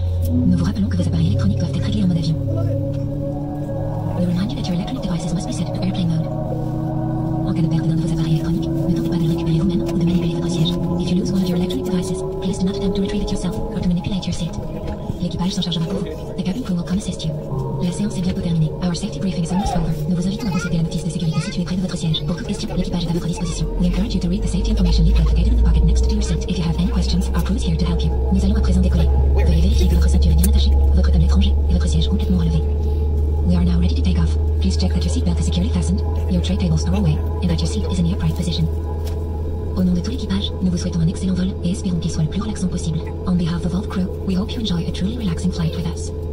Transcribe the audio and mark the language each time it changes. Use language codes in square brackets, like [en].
[fr] Nous vous rappelons que vos appareils électroniques doivent être réglés en mode avion. [en] We remind you that your electronic devices must be set to airplane mode. [fr] En cas de perte d'un de vos appareils électroniques, ne tentez pas de le récupérer vous-même ou de manipuler votre siège. [en] If you lose one of your electronic devices, please do not attempt to retrieve it yourself or to manipulate your seat. [fr] L'équipage s'en chargera pour vous. [en] The cabin crew will come assist you. [fr] La séance est bientôt terminée. [en] Our safety briefing is almost over. [fr] Nous vous invitons à consulter la notice de sécurité située près de votre siège. Pour toute question, l'équipage est à votre disposition. [en] We encourage you to read the safety information leaflet located in the pocket next to your seat. If you have any questions, our crew is here to help you. [fr] Nous allons à présent décoller. Veuillez vérifier que votre ceinture est bien attachée, votre table étrangère et votre siège complètement relevé. [en] We are now ready to take off. Please check that your seatbelt is securely fastened, your tray tables are away, and that your seat is in the upright position. [fr] Au nom de tout l'équipage, nous vous souhaitons un excellent vol et espérons qu'il soit le plus relaxant possible. [en] On behalf of all the crew, we hope you enjoy a truly relaxing flight with us.